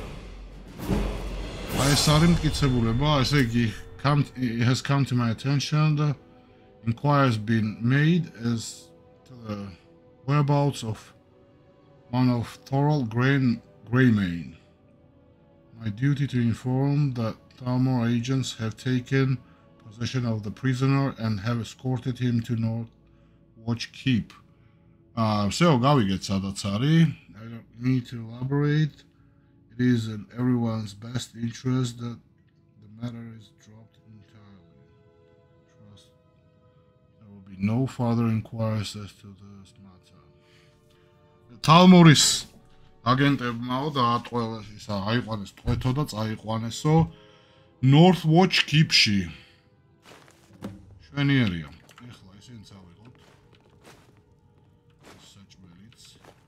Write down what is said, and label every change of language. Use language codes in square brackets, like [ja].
[ka] მკიცებულება, ესე იგი, [en] it has come to my attention the inquiry has been made as to the whereabouts of one of Thorold Greymane. My duty to inform that Thalmor agents have taken possession of the prisoner and have escorted him to North Watch Keep. So [ka] გავიგეთ სადაც არის. [en] I don't need to elaborate. It is in everyone's best interest that matter is dropped entirely. Trust there will be no further inquiries as to this matter. [ka] Talmoris აგენტებმა დაატყვევეს ისა, აიყვანეს თვეთო და წაიყვანესო North Watch Keep-ში. შვენიერია. ეხლა ისინი წავიღოთ. [en] Such minutes.